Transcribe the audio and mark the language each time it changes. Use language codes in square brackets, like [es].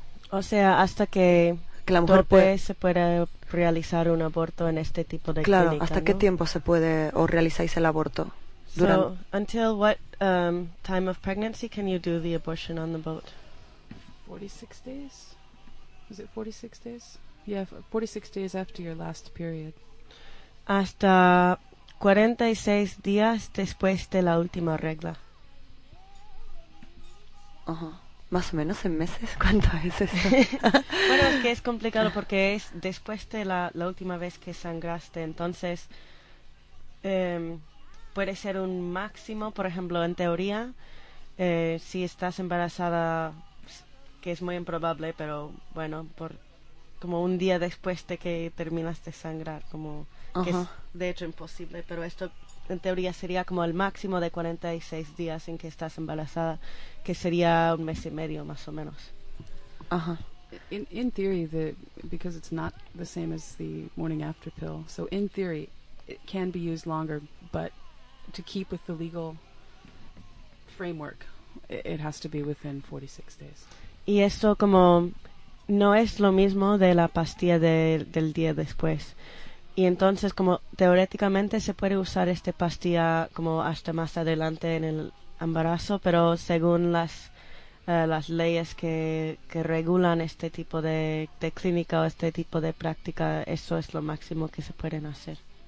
[es] o sea, hasta que la mujer se puede realizar un aborto en este tipo de, claro, clínica, hasta, ¿no? ¿Qué tiempo se puede o realizáis el aborto? [en] So, until what time of pregnancy can you do the abortion on the boat? 46 days? Is it 46 days? Yeah, 46 days after your last period. [es] Hasta 46 días después de la última regla. Más o menos en meses, ¿cuánto es eso? Bueno, es que es complicado porque es después de la última vez que sangraste, entonces... puede ser un máximo, por ejemplo, en teoría, si estás embarazada, que es muy improbable, pero bueno, por como un día después de que terminas de sangrar, como que es de hecho imposible, pero esto en teoría sería como el máximo de 46 días en que estás embarazada, que sería un mes y medio más o menos. [en] In theory, because it's not the same as the morning after pill, so in theory it can be used longer, but to keep with the legal framework, it has to be within 46 days. [es] Y esto como no es lo mismo de la pastilla del día después. Y entonces como teóricamente se puede usar esta pastilla como hasta más adelante en el embarazo, pero según las leyes que regulan este tipo de clínica o este tipo de práctica, eso es lo máximo que se pueden hacer.